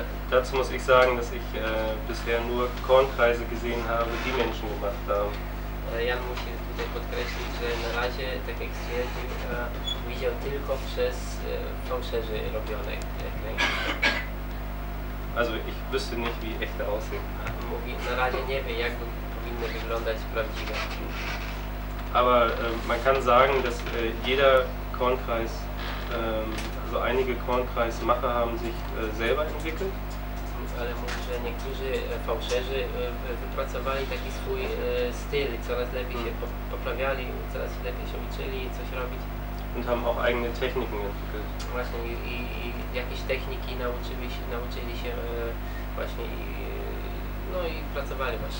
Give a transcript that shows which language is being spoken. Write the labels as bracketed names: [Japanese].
[German] Dazu muss ich sagen, dass ich bisher nur Kornkreise gesehen habe, die Menschen gemacht haben. [Polish] Jan musi tutaj podkreślić, że na razie, tak jak stwierdził, widział tylko przez fałszerzy robione kręgi. [German] Also ich wüsste nicht, wie echte aussehen. [Polish] Mówi, na razie nie wie, jak powinny wyglądać prawdziwe. [German] Aber man kann sagen, dass jeder Kornkreis, also einige Kornkreismacher haben sich selber entwickelt. [Polish] Ale mówi, że niektórzy fałszerzy wypracowali taki swój styl, coraz lepiej się poprawiali, coraz lepiej się uczyli coś robić. [German] Und haben auch eigene Techniken entwickelt. [Polish] Właśnie i jakieś techniki nauczyli się właśnie i, no i pracowali właśnie.